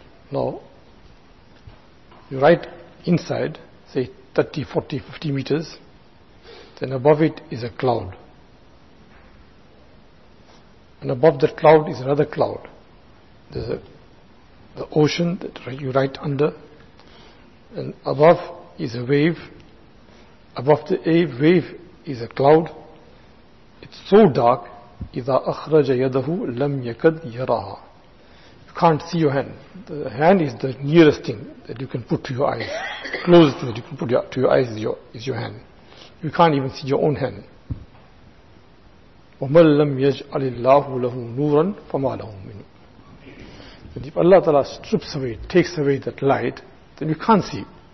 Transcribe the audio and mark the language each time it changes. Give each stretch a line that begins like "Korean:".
English: Now, you're right inside, say 30, 40, 50 meters, then above it is a cloud. And above that cloud is another cloud. There's the ocean that you're right under, and above is a wave. Above the wave is a cloud. It's so dark,
Arabic: إِذَا أَخْرَجَ يَدَهُ لَمْ يَكَدْ يَرَاهَا.
English: Can't see your hand. The hand is the nearest thing that you can put to your eyes. Closest thing that you can put to your eyes is your hand. You can't even see your own hand.
Arabic: وَمَنْ لَمْ يَجْعَلِ اللَّهُ لَهُ نُورًا فَمَا لَهُ مِنُ.
English: And if Allah Ta'ala strips away, takes away that light, then you can't see.